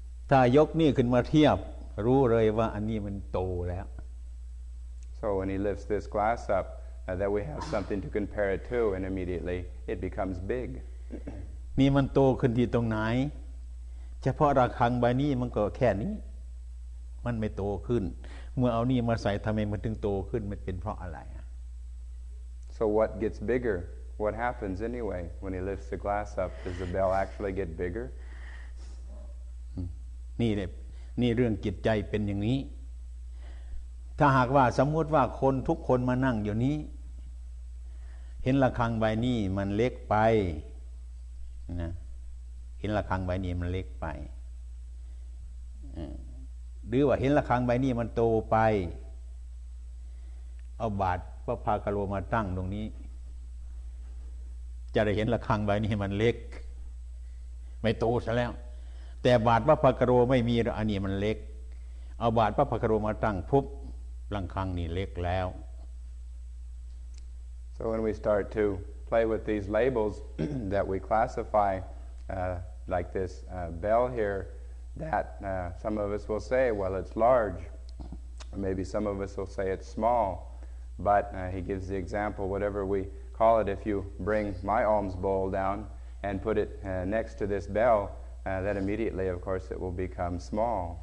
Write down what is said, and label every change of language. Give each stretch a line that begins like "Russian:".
Thai: ถ้ายกนี่ขึ้นมาเทียบรู้เลยว่าอันนี้มันโตแล้ว
English: So when he lifts this glass up, that we have something to compare it to, and immediately it becomes big.
Thai: นี่มันโตขึ้นที่ตรงไหนเฉพาะระฆังใบนี้มันก็แค่นี้มันไม่โตขึ้นเมื่อเอานี่มาใส่ทำไมมันถึงโตขึ้นมันเป็นเพราะอะไร
English: So what gets bigger? What happens anyway when he lifts the glass up? Does the bell actually get bigger?
Thai: นี่เลยนี่เรื่องจิตใจเป็นอย่างนี้ถ้าหากว่าสมมติว่าคนทุกคนมานั่งอยู่นี้เห็นระฆังใบนี้มันเล็กไปนะเห็นระฆังใบนี้มันเล็กไป หรือว่าเห็นระฆังใบนี้มันโตไปเอาบาทพระพากโลมาตั้งตรงนี้จะได้เห็นระฆังใบนี้มันเล็กไม่โตซะแล้วแต่บาทพระพากโลไม่มีอันนี้มันเล็กเอาบาทพระพากโลมาตั้งปุ๊บลังคังนี่เล็กแล้ว
English: So when we start to play with these labels that we classify like this bell here that some of us will say well it's large or maybe some of us will say it's small but he gives the example whatever we call it if you bring my alms bowl down and put it next to this bell that immediately of course it will become small